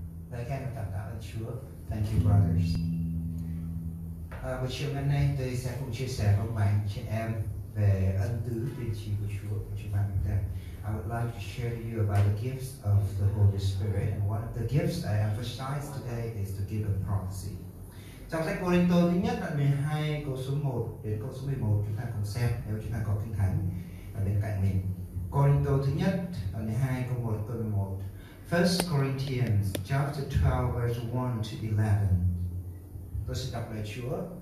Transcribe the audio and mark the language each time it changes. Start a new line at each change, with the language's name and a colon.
Vietnamese: Lời khen và cảm tạ ơn Chúa.
English: Thank you, brothers.
Vietnamese: Buổi chiều ngày nay tôi sẽ cùng chia sẻ với mấy chị em về ân tứ tiên tri của Chúa của chúng bạn ta.
English: I would like to share with you about the gifts of the Holy Spirit. And one of the gifts I emphasize today is the gift of prophecy.
Vietnamese: Trong sách Cô-rinh-tô thứ nhất đoạn 12 câu số 1 đến câu số 11 chúng ta cùng xem nếu chúng ta có kinh thánh ở bên cạnh mình. Cô-rinh-tô thứ nhất đoạn 12 câu 1 đến câu 11.
English: 1 Corinthians chapter 12 verse 1 to 11.
Vietnamese: Tôi sẽ đọc lời Chúa.